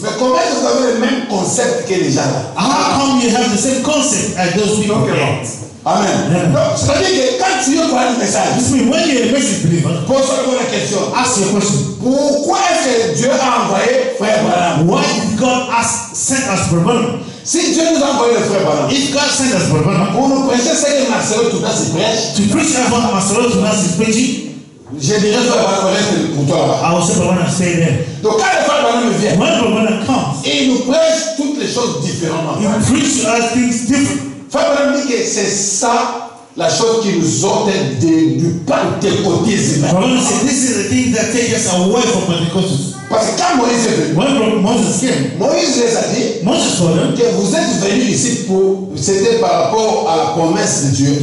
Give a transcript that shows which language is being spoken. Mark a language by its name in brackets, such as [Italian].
[French] Mais comment vous avez le même concept que les gens là? [English] How come you have the same concept as those people? Okay. Yeah. Amen. Yeah. [French] Donc, c'est-à-dire que quand tu es le coin du message, [English] this means when you are a message believer, [French] pose la bonne question. [English] Ask your question. [French] Pourquoi est-ce que Dieu a envoyé Frère Branham? [English] Why did God ask, sent us Frère Branham? [French] Si Dieu nous a envoyé le frère Branham, [English] if God sent us Frère Branham, [French] pour nous prêcher ce que Marcelo Tounas prêche, [English] to preach about Marcelo Tounas is preaching. [French] J'ai déjà fait la connaissance pour toi. [English] I also want to say that. [French] Donc quand le frère Branham vient, [English] when the brother comes, [French] et il nous prêche toutes les choses différemment. [English] He preaches us things different. [French] Frère Branham dit que c'est ça la chose qui nous sortait du pentecôtisme. [English] Brother, so this is the thing that takes us away from Pentecostals. [French] Parce que quand Moïse est venu, [English] when Moses came, [French] Moïse les a dit, [English] Moses told them, [French] que vous êtes venus ici pour, c'était par rapport à la promesse de Dieu.